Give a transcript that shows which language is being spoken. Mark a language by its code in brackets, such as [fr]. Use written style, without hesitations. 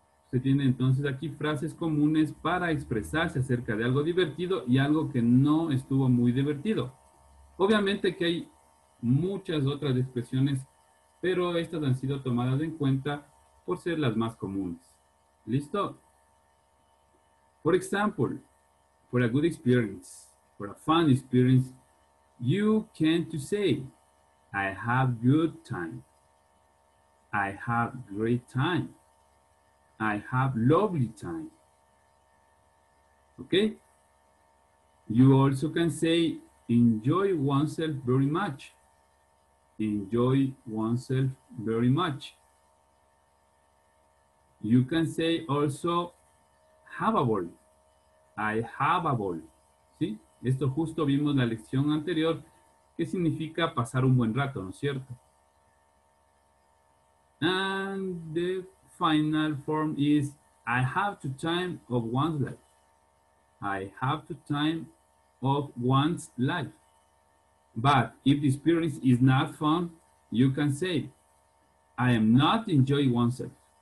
[es] Se tiene entonces aquí frases comunes para expresarse acerca de algo divertido y algo que no estuvo muy divertido. Obviamente que hay muchas otras expresiones, pero estas han sido tomadas en cuenta por ser las más comunes. ¿Listo? [en] For example, for a good experience, for a fun experience, you can to say, I have good time. I have great time. I have lovely time. Okay? You also can say, enjoy oneself very much. Enjoy oneself very much. You can say also, have a ball. I have a ball. ¿Sí? [es] Esto justo vimos la lección anterior, que significa pasar un buen rato, ¿no es cierto? [en] And the final form is, I have the time of one's life. I have the time of one's life. But if the experience is not fun, you can say, I am not enjoying oneself.